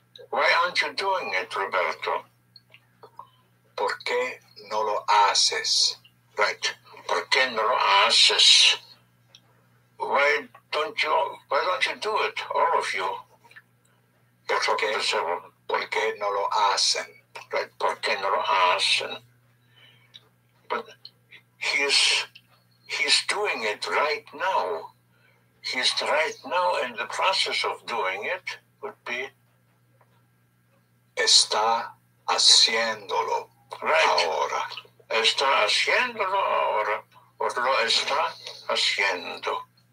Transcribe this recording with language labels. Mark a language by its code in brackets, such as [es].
[en] Why aren't you doing it, Roberto? [es] ¿Por qué no lo haces? Right. ¿Por qué no lo haces? [en] Why don't you do it, all of you? [es] ¿Por qué no lo hacen? Right, ¿por qué no lo hacen? [en] But he's doing it right now. He's right now in the process of doing it, would be? [es] Está haciéndolo [en] right. [es] Ahora. Está haciéndolo ahora. O lo está haciendo.